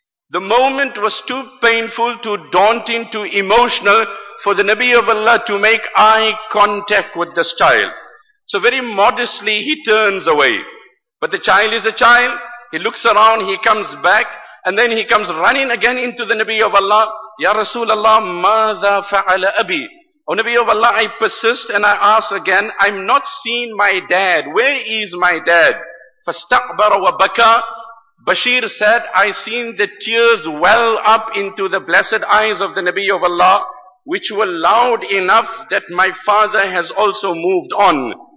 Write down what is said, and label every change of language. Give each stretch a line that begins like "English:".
English: The moment was too painful, too daunting, too emotional for the Nabi of Allah to make eye contact with this child. So very modestly he turns away. But the child is a child. He looks around, he comes back, and then he comes running again into the Nabi of Allah.
Arabic: Ya Rasulallah, ماذا فعل أبي?
English: O Nabi of Allah, I persist and I ask again, I'm not seeing my dad. Where is my dad?
Arabic: فَاسْتَعْبَرَ وَبَكَى
English: Bashir said, I seen the tears well up into the blessed eyes of the Nabi of Allah, which were loud enough that my father has also moved on.